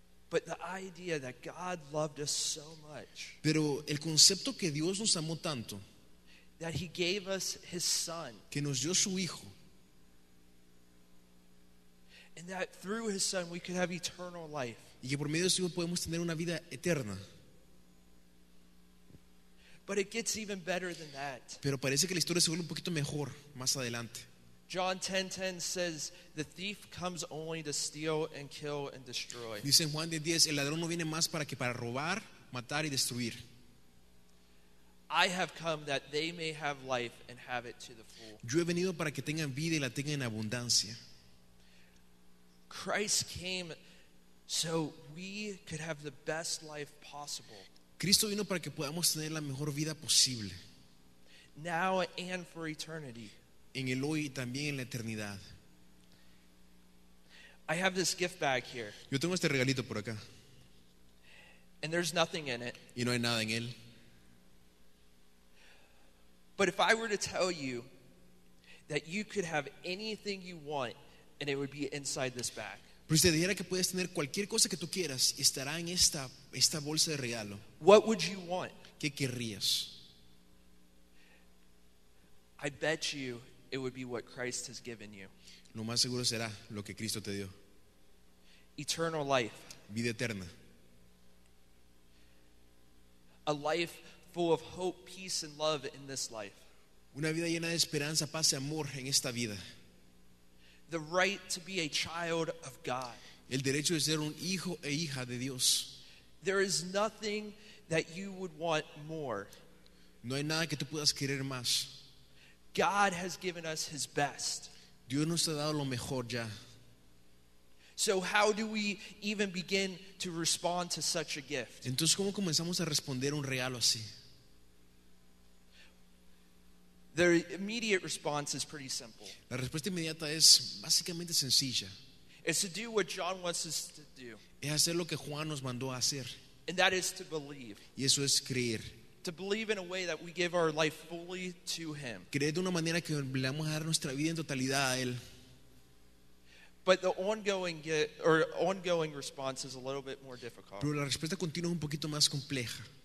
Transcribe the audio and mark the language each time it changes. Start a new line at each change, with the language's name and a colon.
English: But the idea that God loved us so much.
Spanish: Pero el concepto que Dios nos amó tanto.
English: That he gave us his son.
Spanish: Que nos dio su hijo.
English: And that through his son we could have eternal life.
Spanish: Y que por medio de su hijo podemos tener una vida eterna.
English: But it gets even better than that.
Spanish: Pero parece que la historia se vuelve un poquito mejor más adelante.
English: John 10:10 says the thief comes only to steal and kill and destroy.
Spanish: Dice en Juan 10:10 el ladrón no viene más para que para robar, matar y destruir.
English: I have come that they may have life and have it to the full.
Spanish: Yo he venido para que tengan vida y la tengan en abundancia.
English: Christ came so we could have the best life possible.
Spanish: Cristo vino para que podamos tener la mejor vida posible.
English: Now and for eternity.
Spanish: En el hoy y también en la eternidad.
English: I have this gift bag here.
Spanish: Yo tengo este regalito por acá.
English: And there's nothing in it.
Spanish: Y no hay nada en él.
English: But if I were to tell you that you could have anything you want and it would be inside this bag.
Spanish: Pero si te dijera que puedes tener cualquier cosa que tú quieras estará en esta bolsa de regalo.
English: What would you want?
Spanish: ¿Qué querrías?
English: I bet you it would be what Christ has given you.
Spanish: Lo más seguro será lo que Cristo te dio.
English: Eternal life.
Spanish: Vida eterna.
English: A life full of hope, peace and love in this life.
Spanish: Una vida llena de esperanza, paz y amor en esta vida.
English: The right to be a child of God.
Spanish: El derecho de ser un hijo e hija de Dios.
English: There is nothing that you would want more.
Spanish: No hay nada que tú puedas querer más.
English: God has given us his best.
Spanish: Dios nos ha dado lo mejor ya.
English: So how do we even begin to respond to such a gift?
Spanish: Entonces, ¿cómo comenzamos a responder un regalo así?
English: The immediate response is pretty simple.
Spanish: La respuesta inmediata es básicamente sencilla.
English: It's to do what John wants us to do.
Spanish: Es hacer lo que Juan nos mandó a hacer.
English: And that is to believe.
Spanish: Y eso es creer.
English: To believe in a way that we give our life fully to him.
Spanish: Creer de una manera que le vamos a dar nuestra vida en totalidad a él.
English: But the ongoing response is a little bit more difficult.
Spanish: Pero la respuesta continua es un poquito más compleja.